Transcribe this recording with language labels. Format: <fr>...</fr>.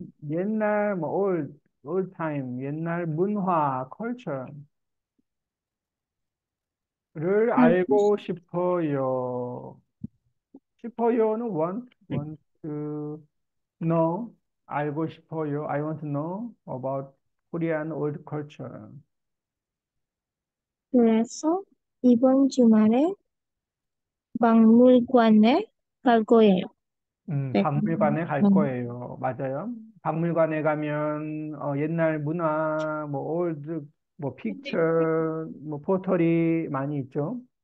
<ko>옛날 뭐</ko> <en>old old time</en> <ko>옛날 문화 culture를 알고 싶어요. 싶어요는</ko> <en>want, want to</en> <ko>No, 알고 싶어요.</ko> <en>I want to know about Korean old culture.</en> <ko>그래서 이번 주말에 박물관에 갈 거예요. 네. 박물관에 갈 거예요. 맞아요. 박물관에 가면 옛날 문화, 뭐 올드, 뭐 픽처, 뭐 포털이 많이 있죠.</ko>